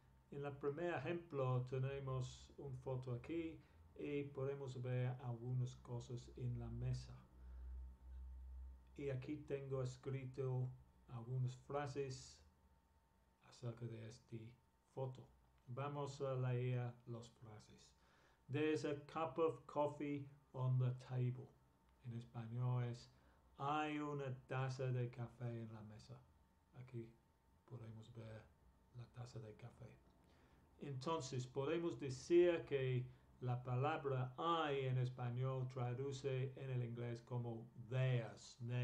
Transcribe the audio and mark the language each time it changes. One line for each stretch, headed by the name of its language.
Spanish: En el primer ejemplo tenemos una foto aquí y podemos ver algunas cosas en la mesa. Y aquí tengo escrito algunas frases acerca de esta foto. Vamos a leer las frases.
English: There's a cup of coffee on the table.
Spanish: En español es, hay una taza de café en la mesa. Aquí podemos ver la taza de café. Entonces, podemos decir que la palabra hay en español traduce en el inglés como theirs.